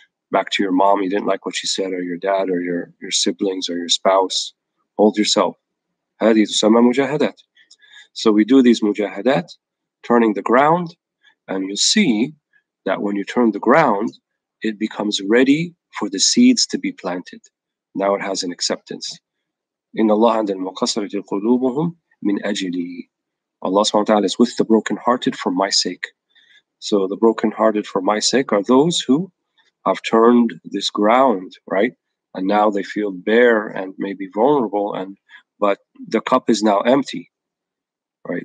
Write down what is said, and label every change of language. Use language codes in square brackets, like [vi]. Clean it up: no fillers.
[en] back to your mom, you didn't like what she said, or your dad, or your siblings, or your spouse, hold yourself. [ar] هذه تسمى مجاهدات. [en] So we do these mujahadat, turning the ground, and you see that when you turn the ground, it becomes ready for the seeds to be planted. Now it has an acceptance. [ar] إن الله عند المقصرة قلوبهم من أجلي. [en] Allah subhanahu wa ta'ala is with the brokenhearted for my sake. So the brokenhearted for my sake are those who have turned this ground, right? And now they feel bare and maybe vulnerable, but the cup is now empty. Right.